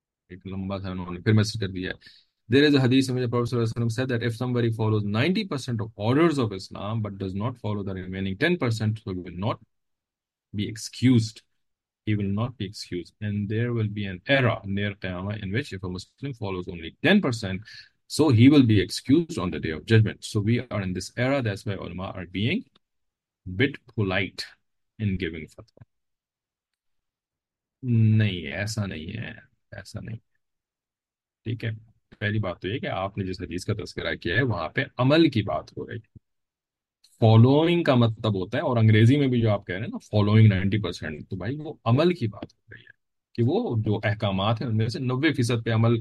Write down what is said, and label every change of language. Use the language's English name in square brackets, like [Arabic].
[Hindi] एक लंबा था उन्होंने फिर मैसेज कर दिया, [English] There is a हदीस में prophet सल्लल्लाहु अलैहि वसल्लम said that if somebody follows 90% of orders of Islam but does not follow the remaining 10% so he will not be excused, he will not be excused and there will be an era near कयामा in which if a Muslim follows only 10% So he will be excused on the day of judgment. So we are in this era. That's why ulama are being bit polite in giving fatwa. [Hindi] नहीं ऐसा नहीं है, ऐसा नहीं। ठीक है, पहली बात तो ये कि आपने जिस हदीस का तस्करा किया है वहां पे अमल की बात हो रही है। फॉलोइंग का मतलब होता है, और अंग्रेजी में भी जो आप कह रहे हैं ना फॉलोइंग 90%, तो भाई वो अमल की बात हो रही है कि वो जो अहकामात हैं उनमें से 90% पे अमल।